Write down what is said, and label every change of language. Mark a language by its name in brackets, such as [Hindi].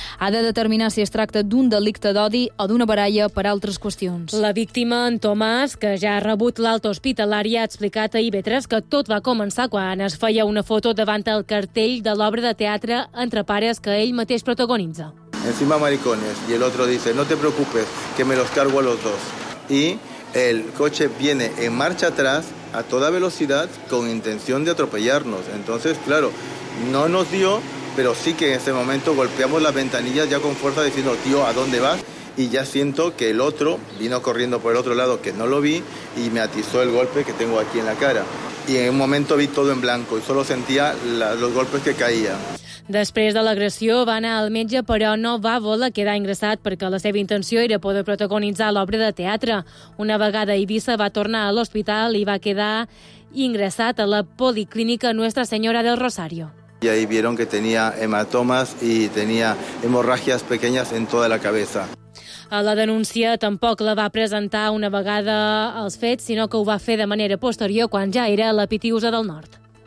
[Catalan] Ha de determinar si es tracta d'un delicte d'odi o d'una baralla per altres qüestions. La víctima, en Tomàs, que ja ha rebut l'alta hospital, l'àrea ha explicat a IB3 que tot va començar quan es feia una foto davant el cartell de l'obra de teatre Entre pares que ell mateix protagonitza. [Spanish] Encima maricones, y el otro dice, no te preocupes, que me los cargo a los dos. Y el coche viene en marcha atrás a toda velocidad con intención de atropellarnos. Entonces, claro, no nos dio, pero sí que en ese momento golpeamos las ventanillas ya con fuerza diciendo, tío, ¿a dónde vas? Y ya siento que el otro vino corriendo por el otro lado, que no lo vi, y me atizó el golpe que tengo aquí en la cara. Y en un momento vi todo en blanco y solo sentía los golpes que caían. [Catalan] Després de l'agressió va anar al metge, però no va voler quedar ingressat perquè la seva intenció era poder protagonitzar l'obra de teatre. Una vegada a Eivissa va tornar a l'hospital i va quedar ingressat a la policlínica Nuestra Señora del Rosario. [Spanish] Y ahí vieron que tenía hematomas y tenía hemorragias pequeñas en toda la cabeza. [Catalan] A la denúncia tampoc la va presentar una vegada els fets, sinó que ho va fer de manera posterior quan ja era la Pitiusa del Nord.